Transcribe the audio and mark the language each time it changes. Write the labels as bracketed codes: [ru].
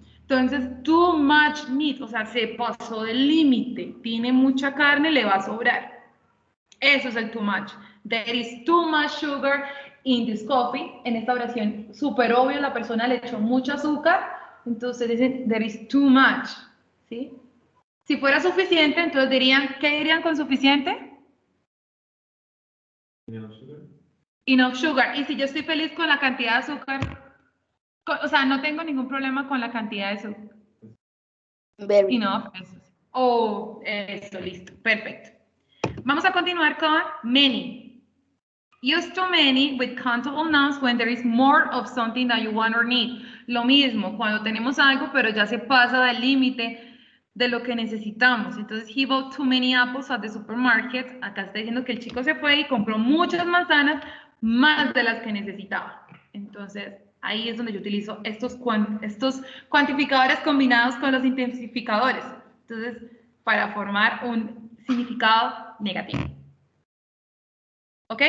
[es] Entonces, [en] too much meat, [es] o sea, se pasó del límite, tiene mucha carne, le va a sobrar. Eso es el too much. [en] There is too much sugar in this coffee. [es] En esta oración, súper obvio, la persona le echó mucho azúcar. Entonces dicen, [en] there is too much. [es] ¿Sí? Si fuera suficiente, entonces dirían, ¿qué dirían con suficiente? [en] Enough sugar. Enough sugar. [es] Y si yo estoy feliz con la cantidad de azúcar, o sea, no tengo ningún problema con la cantidad de azúcar. [en] Very. [es] Enough. Eso. Oh, eso, listo, perfecto. Vamos a continuar con many. [en] Use too many with countable nouns when there is more of something that you want or need. [es] Lo mismo, cuando tenemos algo, pero ya se pasa del límite de lo que necesitamos. [en] Entonces, he bought too many apples at the supermarket. [es] Acá está diciendo que el chico se fue y compró muchas manzanas, más de las que necesitaba. Entonces, ahí es donde yo utilizo estos cuantificadores combinados con los intensificadores. Entonces, para formar un significado negativo. ¿Ok?